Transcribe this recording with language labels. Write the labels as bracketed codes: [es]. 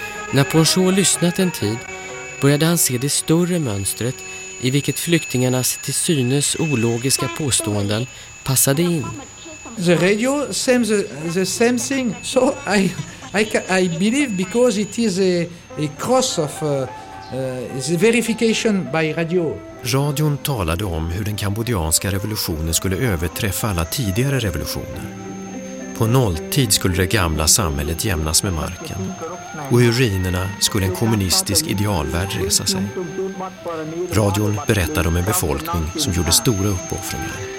[sv] När Ponchot lyssnat en tid började han se det större mönstret i vilket flyktingarnas till synes ologiska påståenden passade in. [en] The radio says the same thing, so I believe because it is a cross of the verification by radio. [sv] Radion talade om hur den kambodjanska revolutionen skulle överträffa alla tidigare revolutioner. På nolltid skulle det gamla samhället jämnas med marken. Och ur ruinerna skulle en kommunistisk idealvärld resa sig. Radion berättade om en befolkning som gjorde stora uppoffringar.